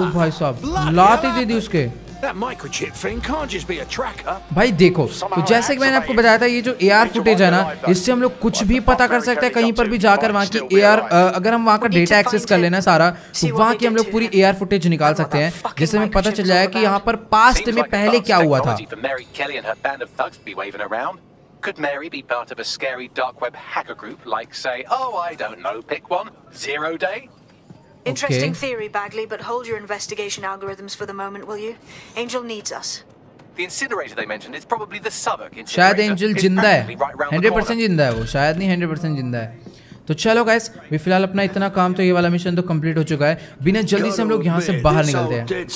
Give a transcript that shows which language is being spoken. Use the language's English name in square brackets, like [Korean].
[Hindi] ओ भाई साहब लात ही दे दी उसके भाई देखो, तो जैसे कि मैंने आपको बताया था, ये जो AR फुटेज है ना, इससे हम लोग कुछ भी पता कर सकते हैं, कहीं पर भी जाकर वहाँ की AR, अगर हम वहाँ का डेटा एक्सेस कर लेना सारा, तो वहाँ की हम लोग पूरी AR फुटेज निकाल सकते हैं, जिससे हमें पता चल जाएगा कि यहाँ पर पास्ट में पहले क्या हुआ था। [English] Could Mary be part of a scary dark web hacker group like, say, oh, I don't know, pick one, Zero Day? Interesting okay. theory, Bagley, but hold your investigation algorithms for the moment, will you? Angel needs us. The incinerator they mentioned is probably the Southwark incinerator. [Hindi] Shayad Angel jinda hai. Right 100% jinda hai wo. Shayad nahi 100% jinda hai. तो चलो guys, भी फिलहाल अपना इतना काम तो ये वाला मिशन तो कंप्लीट हो चुका है, बिना जल्दी से हम लोग यहाँ से बाहर निकलते हैं।